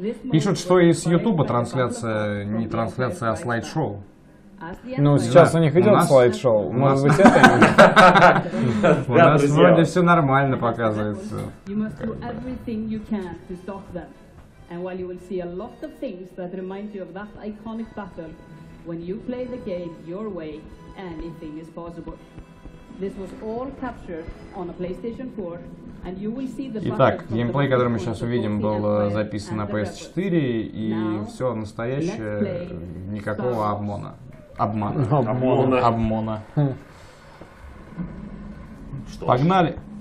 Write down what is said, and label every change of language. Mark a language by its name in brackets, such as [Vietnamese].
[Russian] Пишут, что и с Ютуба трансляция, не трансляция, а слайд-шоу. Ну, сейчас у них идет слайд-шоу. Может быть, это у нас вроде все нормально показывается. [English] You must do everything you can to stop them. And while you will see a lot of things that remind you of that iconic battle, when you play the game your way, anything is possible. This was all captured on a PlayStation 4. [Russian] Итак, геймплей, который мы сейчас увидим, был записан на PS4, и все настоящее, никакого обмана. Обмана. Что? Погнали!